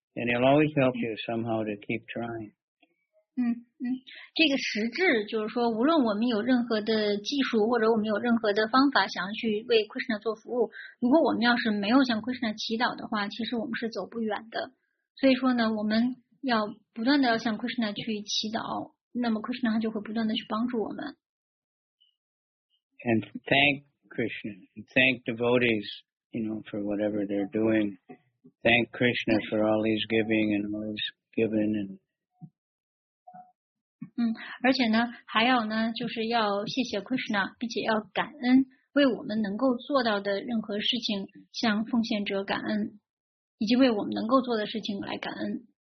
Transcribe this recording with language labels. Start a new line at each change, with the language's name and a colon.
English: And he'll always help you somehow to keep trying.
Chinese: 这个实质就是说，无论我们有任何的技术或者我们有任何的方法想要去为 Krishna 做服务，如果我们要是没有向 Krishna 祈祷的话，其实我们是走不远的。所以说呢，我们要不断的要向 Krishna 去祈祷，那么 Krishna 他就会不断的去帮助我们。
English: And thank Krishna, and thank devotees, you know, for whatever they're doing. Thank Krishna for all he's giving and all he's given. And
Chinese: 而且呢，还有呢，就是要谢谢 Krishna, 并且要感恩为我们能够做到的任何事情，向奉献者感恩。以及为我们能够做的事情来感恩。